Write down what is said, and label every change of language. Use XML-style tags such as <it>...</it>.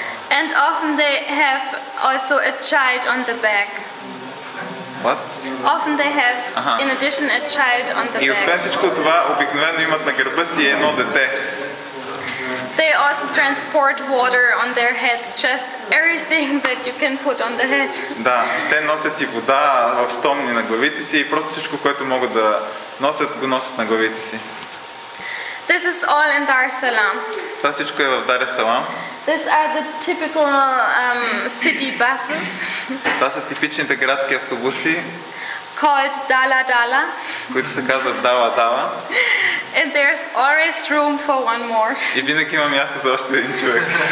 <en>And often they have also a child on the back. What? Often they have, in addition, a child on the back.</en> <bg>И освен всичко това, обикновено имат на гърба си едно дете.</bg> <en>They also transport water on their heads, just everything that you can put on the head.</en> <bg>Да, те носят и вода в стомни на главите си и просто всичко, което могат да носят, го носят на главите си.</bg> <en>This is all in Dar es Salaam.</en> <bg>Това всичко е в Дар ес Салам.</bg> <en>These are the typical city buses.</en> <bg>Това са типичните градски автобуси.</bg> <en>Called Dala Dala.</en> <bg>Които се казват Дала Дала.</bg> <en>And there's always room for one more.</en> <bg>И винаги има място за още един човек.</bg>